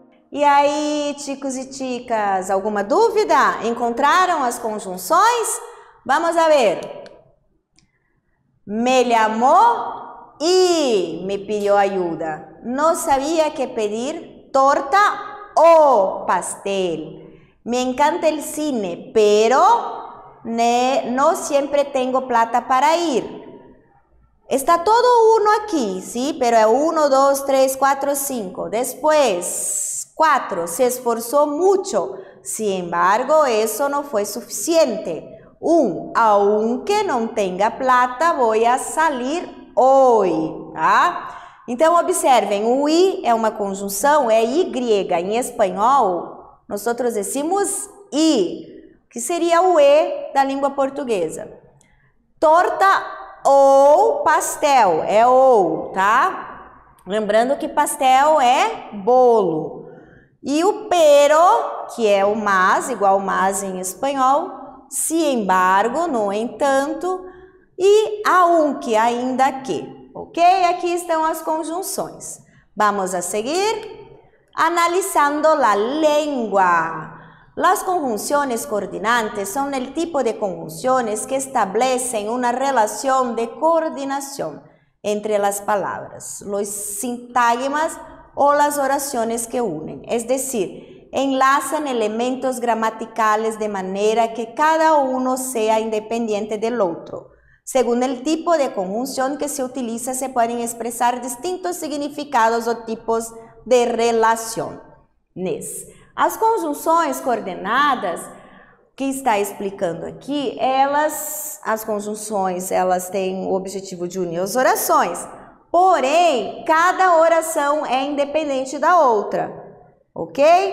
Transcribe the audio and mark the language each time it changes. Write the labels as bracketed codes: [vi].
[pt] E aí, ticos e ticas, alguma dúvida? Encontraram as conjunções? [es] Vamos a ver. Me llamó y me pidió ayuda. No sabía qué pedir, torta o pastel. Me encanta el cine, pero no siempre tengo plata para ir. Está todo uno aquí, sí, pero es uno, dos, tres, cuatro, cinco. Después, cuatro. Se esforzó mucho. Sin embargo, eso no fue suficiente. Aunque no tenga plata, voy a salir hoy, ¿tá? [pt] Então, observem, o i é uma conjunção, é y. Em espanhol, nós decimos i, que seria o e da língua portuguesa. Torta ou pastel, é ou, tá? Lembrando que pastel é bolo. E o pero, que é o mas, igual mas em espanhol, si embargo, no entanto, e aunque, ainda que. Ok? Aqui estão as conjunções. [es] Vamos a seguir analisando la lengua. Las conjunciones coordinantes son el tipo de conjunciones que establecen una relación de coordinación entre las palabras, los sintagmas o las oraciones que unen. Es decir, enlazan elementos gramaticales de manera que cada uno sea independiente del otro. Según el tipo de conjunción que se utiliza, se pueden expresar distintos significados o tipos de relaciones. [pt] As conjunções coordenadas que está explicando aqui, as conjunções, elas têm o objetivo de unir as orações. Porém, cada oração é independente da outra. Ok?